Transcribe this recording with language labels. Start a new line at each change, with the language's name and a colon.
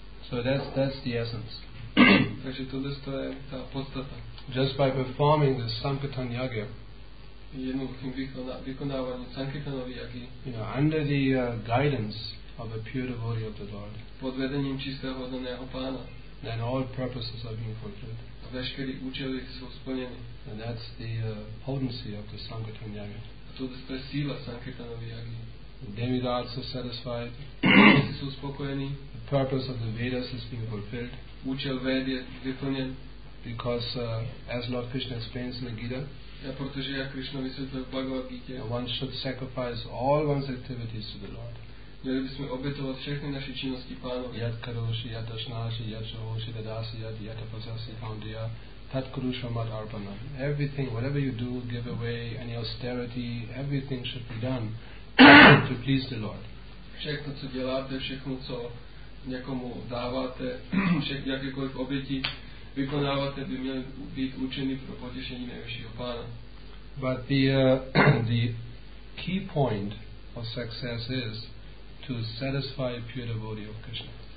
English: So that's the essence. Just by performing the Sankirtan Yagya, under the guidance of a pure devotee of the Lord,
Czech: pod vedením čistého oddaného pána,
English: then all purposes are being fulfilled.
Czech: A veškeré účely jsou splněny.
English: And that's the potency of the Sankirtan Yagya.
Czech: A to je síla Sankirtanovy Yagyi.
English: The demigods are satisfied.
Czech: Jsou spokojení.
English: The purpose of the Vedas is being fulfilled.
Czech: Účel Vedy je vyplněn.
English: Because as Lord Krishna explains in the Gita,
Czech: protože jak Krishna vysvětluje v Bhagavad Gita,
English: one should sacrifice all one's activities to the Lord.
Czech: Měli bychom obětovat všechny naše činnosti Pánovi.
Sanskrit: Yat karoshi, yat ashnashi, yat shohoshi, dadasi, yat yatapasasi, haundiya, tat kurusha mat arpana.
English: Everything, whatever you do, give away, any austerity, everything should be done to please the Lord.
Czech: Všechno, co děláte, všechno, co někomu dáváte, všechny jakékoliv oběti, vykonávat by měl být učený pro potěšení nejvyššího pána.
English: But the key point of success is to satisfy pure devotee of Krishna.